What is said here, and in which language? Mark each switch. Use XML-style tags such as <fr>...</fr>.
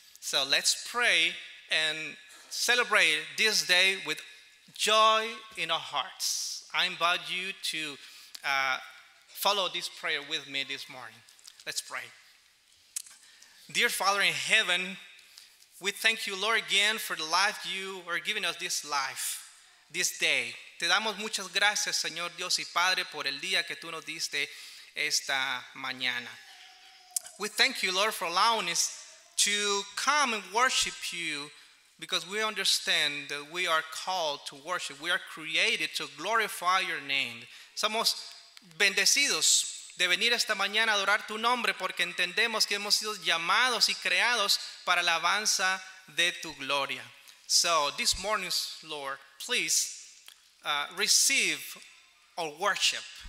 <en>So let's pray and celebrate this day with joy in our hearts. I invite you to follow this prayer with me this morning. Let's pray. Dear Father in heaven, we thank you, Lord, again for the life you are giving us this life, this day.</en> <es>Te damos muchas gracias, Señor Dios y Padre, por el día que tú nos diste esta mañana.</es> <en>We thank you, Lord, for allowing us to come and worship you, because we understand that we are called to worship. We are created to glorify your name.</en> <es>Somos bendecidos de venir esta mañana a adorar tu nombre, porque entendemos que hemos sido llamados y creados para la alabanza de tu gloria.</es> <en>So this morning, Lord, please receive our worship.</en>